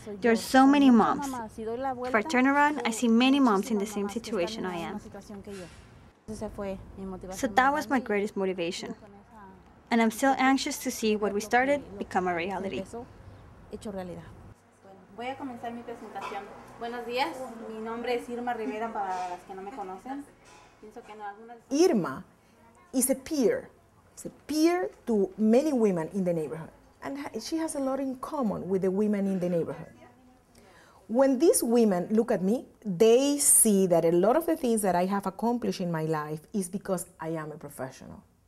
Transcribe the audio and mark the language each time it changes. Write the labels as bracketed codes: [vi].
[en] There are so many moms. If I turn around, I see many moms in the same situation I am. So that was my greatest motivation. And I'm still anxious to see what we started become a reality. [es] Voy a comenzar mi presentación. Buenos días. Mi nombre es Irma Rivera, para las que no me conocen. Pienso que no, algunas... [en] Irma is a peer. It's a peer to many women in the neighborhood. And she has a lot in common with the women in the neighborhood. When these women look at me, they see that a lot of the things that I have accomplished in my life is because I am a professional.